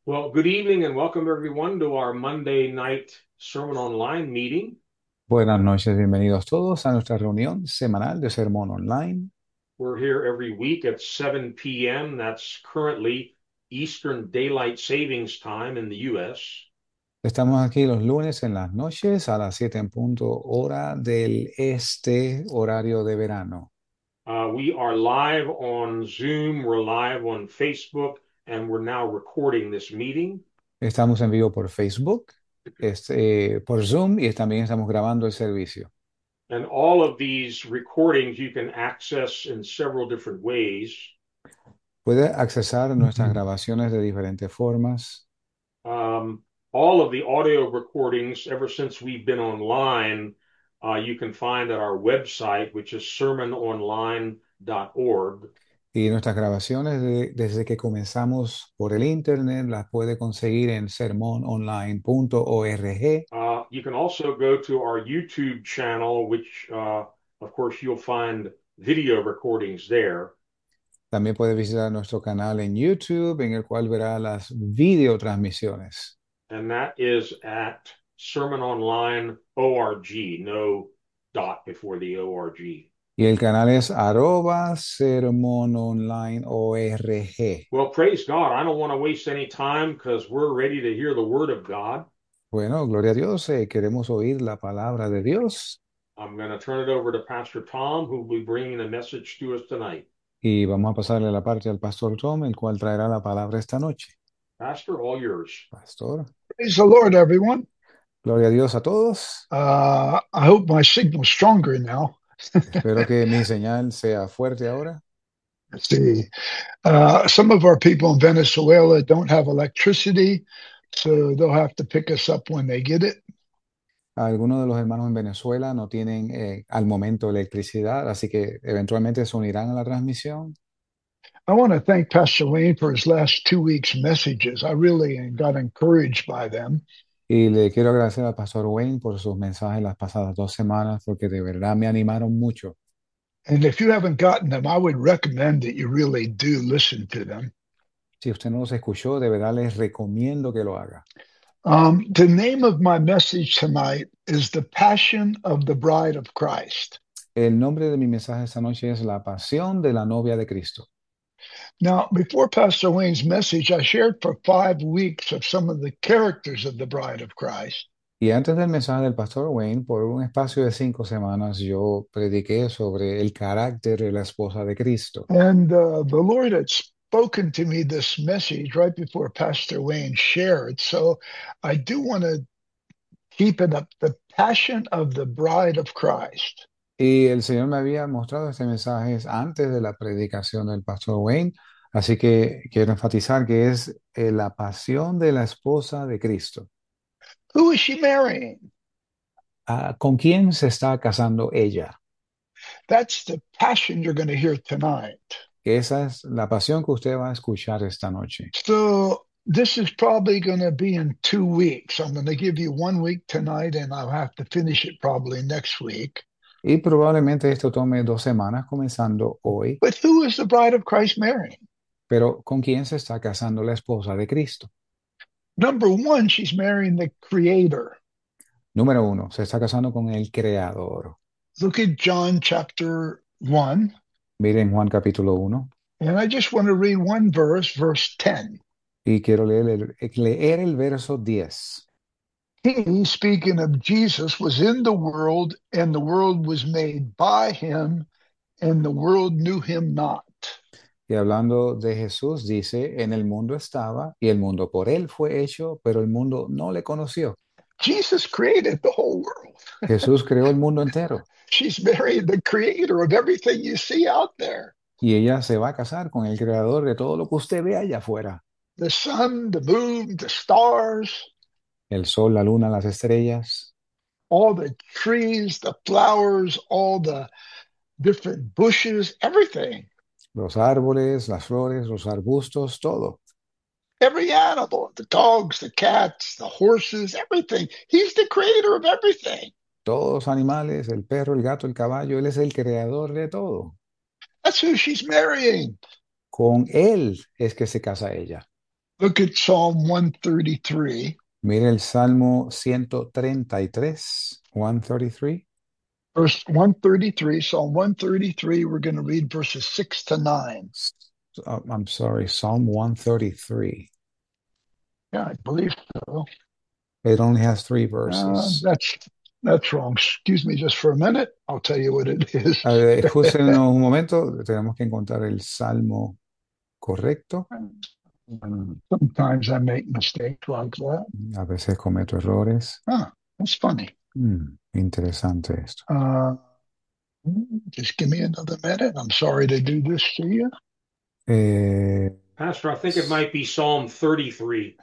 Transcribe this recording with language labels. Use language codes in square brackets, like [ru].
[en] Well, good evening and welcome everyone to our Monday night Sermon Online meeting. [es] Buenas noches, bienvenidos todos a nuestra reunión semanal de Sermón Online. [en] We're here every week at 7 p.m. That's currently Eastern Daylight Savings Time in the U.S. [es] Estamos aquí los lunes en las noches a las 7 en punto, hora del este, horario de verano. [en] We are live on Zoom, we're live on Facebook. And we're now recording this meeting. [es] Estamos en vivo por Facebook, por Zoom y también estamos grabando el servicio. [en] And all of these recordings you can access in several different ways. [es] Puede accesar nuestras grabaciones de diferentes formas. [en] All of the audio recordings, ever since we've been online, you can find at our website, which is sermononline.org. [es] Y nuestras grabaciones desde que comenzamos por el internet las puede conseguir en sermononline.org. [en] You can also go to our YouTube channel, which, of course, you'll find video recordings there. [es] También puede visitar nuestro canal en YouTube, en el cual verá las videotransmisiones. [en] And that is at sermononline.org, no dot before the ORG. [es] Y el canal es @sermononlineorg. [en] Well, praise God. I don't want to waste any time because we're ready to hear the word of God. [es] Bueno, gloria a Dios, queremos oír la palabra de Dios. [en] I'm going to turn it over to Pastor Tom, who will be bringing a message to us tonight. [es] Y vamos a pasarle la parte al Pastor Tom, el cual traerá la palabra esta noche. [en] Pastor, all yours. Pastor. Praise the Lord, everyone. [es] Gloria a Dios a todos. [en] I hope my signal's stronger now. [es] Espero que mi señal sea fuerte ahora. [en] Let's see. Some of our people in Venezuela don't have electricity, so they'll have to pick us up when they get it. [es] Algunos de los hermanos en Venezuela no tienen al momento electricidad, así que eventualmente se unirán a la transmisión. [en] I want to thank Pastor Wayne for his last 2 weeks' messages. I really got encouraged by them. [es] Y le quiero agradecer al pastor Wayne por sus mensajes las pasadas 2 semanas, porque de verdad me animaron mucho. [en] And if you haven't gotten them, I would recommend that you really do listen to them. [es] Si usted no los escuchó, de verdad les recomiendo que lo haga. [en] The name of my message tonight is The Passion of the Bride of Christ. [es] El nombre de mi mensaje esta noche es La Pasión de la Novia de Cristo. [en] Now, before Pastor Wayne's message, I shared for 5 weeks of some of the characters of the Bride of Christ. [es] Y antes del mensaje del pastor Wayne, por un espacio de 5 semanas, yo prediqué sobre el carácter de la esposa de Cristo. [en] And the Lord had spoken to me this message right before Pastor Wayne shared. So I do want to keep it up, the Passion of the Bride of Christ. [es] Y el Señor me había mostrado este mensaje antes de la predicación del pastor Wayne, así que quiero enfatizar que es la pasión de la esposa de Cristo. [en] Who is she marrying? [es] ¿Con quién se está casando ella? [en] That's the passion you're going to hear tonight. [es] Que esa es la pasión que usted va a escuchar esta noche. [en] So this is probably going to be in 2 weeks. I'm going to give you 1 week tonight, and I'll have to finish it probably next week. [es] Y probablemente esto tome 2 semanas comenzando hoy. [en] But who is the bride of Christ marrying? [es] Pero ¿con quién se está casando la esposa de Cristo? [en] Number one, she's marrying the creator. [es] Número uno, se está casando con el Creador. [en] Look at John chapter 1. [es] Miren Juan capítulo 1. [en] And I just want to read one verse, verse 10. [es] Y quiero leer el verso 10. [en] He, speaking of Jesus, was in the world, and the world was made by him, and the world knew him not. [es] Y hablando de Jesús, dice, en el mundo estaba y el mundo por él fue hecho, pero el mundo no le conoció. [en] Jesus created the whole world. [es] Jesús creó el mundo entero. [en] She's married the creator of everything you see out there. [es] Y ella se va a casar con el creador de todo lo que usted ve allá afuera. [en] The sun, the moon, the stars, [es] El sol, la luna, las estrellas. [en] all the trees, the flowers, all the different bushes, everything. [es] Los árboles, las flores, los arbustos, todo. [en] Every animal, the dogs, the cats, the horses, everything. He's the creator of everything. [es] Todos los animales, el perro, el gato, el caballo, él es el creador de todo. [en] That's who she's marrying. [es] Con él es que se casa ella. [en] Look at Psalm 133, [es] Mira el Salmo 133, 133. [en] verse 133. Psalm 133. We're going to read verses 6 to 9. I'm sorry, Psalm 133. Yeah, I believe so. It only has three verses. That's wrong. Excuse me just for a minute. I'll tell you what it is. [es] Justo en un momento, tenemos que encontrar el salmo correcto. [en] Sometimes I make mistakes like that. [es] A veces cometo errores. [en] That's funny. [es] Interesante esto. [en] Just give me another minute. I'm sorry to do this to you. Pastor, I think it might be Psalm 33.